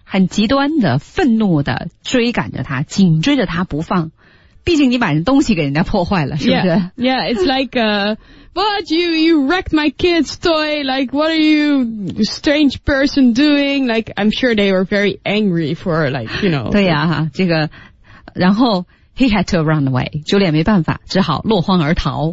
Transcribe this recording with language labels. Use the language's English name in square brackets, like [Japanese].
[Chinese] 很极端的,愤怒的追赶着他,紧追着他不放。毕竟你把人东西给人家破坏了，是不是？ [English] Yeah, it's like what you wrecked my kid's toy. Like, what are you strange person doing? Like, I'm sure they were very angry for like, you know. [Chinese] 对呀、啊，这个，然后 [English] he had to run away. [Chinese] 朱莉叶没办法，只好落荒而逃。